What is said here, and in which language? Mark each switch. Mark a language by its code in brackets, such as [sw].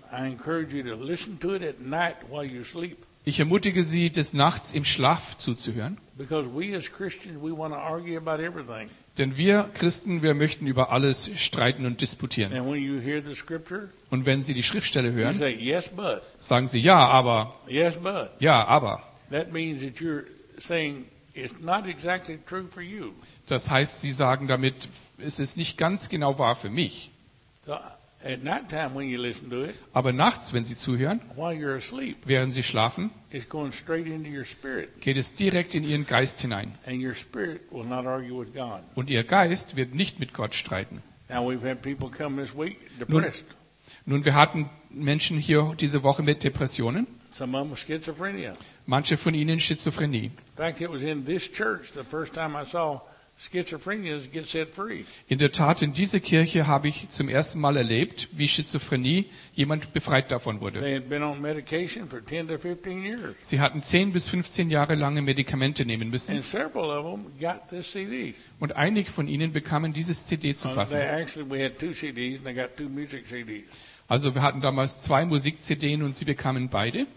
[en] I encourage you to listen to it at night while you sleep. [de] Ich ermutige Sie, des Nachts im Schlaf zuzuhören. [en] Because we as Christians, we want to argue about everything. [de] Denn wir Christen, wir möchten über alles streiten und disputieren. [en] And when you hear the scripture, [de] und wenn Sie die Schriftstelle hören, [en] you say, yes, but. [de] Sagen Sie, ja, aber. [en] Yes, but. [de] Ja, aber. [en] That means that you're saying, it's not exactly true for you. [de] Das heißt, sie sagen damit, es ist nicht ganz genau wahr für mich. [en] So, at night time when you listen to it, [de] aber nachts, wenn sie zuhören, [en] while you're asleep, [de] während sie schlafen, [en] it's going straight into your spirit. [de] Geht es direkt in ihren Geist hinein. [en] And your spirit will not argue with God. [de] Und ihr Geist wird nicht mit Gott streiten. [en] Now we've had people come this week depressed. [de] Nun, wir hatten Menschen hier diese Woche mit Depressionen. [en] Some of them with schizophrenia. [de] Manche von ihnen Schizophrenie. [en] In fact, it was in this church the first time I saw schizophrenia get set free. [de] In der Tat, in dieser Kirche habe ich zum ersten Mal erlebt, wie Schizophrenie jemand befreit davon wurde. [en] They had been on medication for 10 to 15 years. [de] Sie hatten 10 bis 15 Jahre lange Medikamente nehmen müssen. [en] And several of them got this CD. [de] Und einige von ihnen bekamen dieses CD zu fassen. [en] They actually, we had two CDs and they got two music CDs. [de] Also wir hatten damals zwei Musik-CDs und sie bekamen beide.